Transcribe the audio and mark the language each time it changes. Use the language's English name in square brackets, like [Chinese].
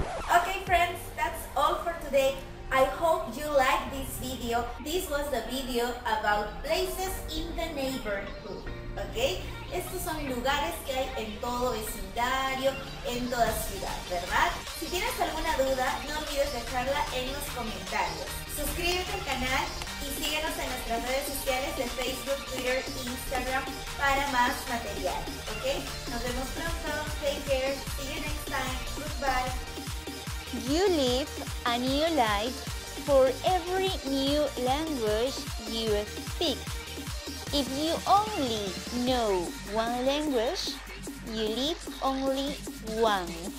[English] Okay, friends, that's all for today. I hope you like this video. This was the video about places in the neighborhood. Okay? [Spanish] Estos son lugares que hay en todo vecindario, en toda ciudad, ¿verdad? Si tienes alguna duda, no olvides dejarla en los comentarios. Suscríbete al canal y síguenos en nuestras redes sociales de Facebook, Twitter e Instagram para más material, ¿ok? Nos vemos pronto. [English] Take care. See you next time. Goodbye. You live a new life for every new language you speak. If you only know one language, you live only once.